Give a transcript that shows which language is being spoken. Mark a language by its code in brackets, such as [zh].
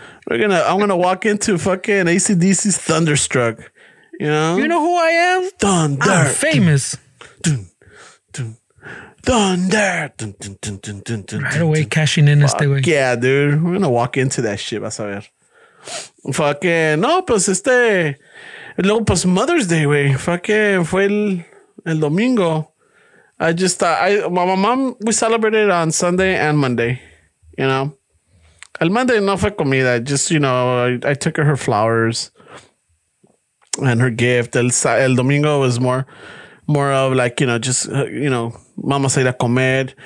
[en] I'm gonna walk into fucking AC/DC's Thunderstruck. You know who I am? Thunder. I'm famous. Thunder. Right away, cashing in this way. Yeah, dude. We're gonna walk into that shit, [es] vas a ver. Fucking no, pues este luego pues Mother's Day, wey. Fucking fue el domingo. [en] I just my mom, we celebrated on Sunday and Monday, you know. [es] El Monday no fue comida, [en] just you know, I took her flowers and her gift. [es] El domingo [en] was more of like, you know, just you know, mama said a comer.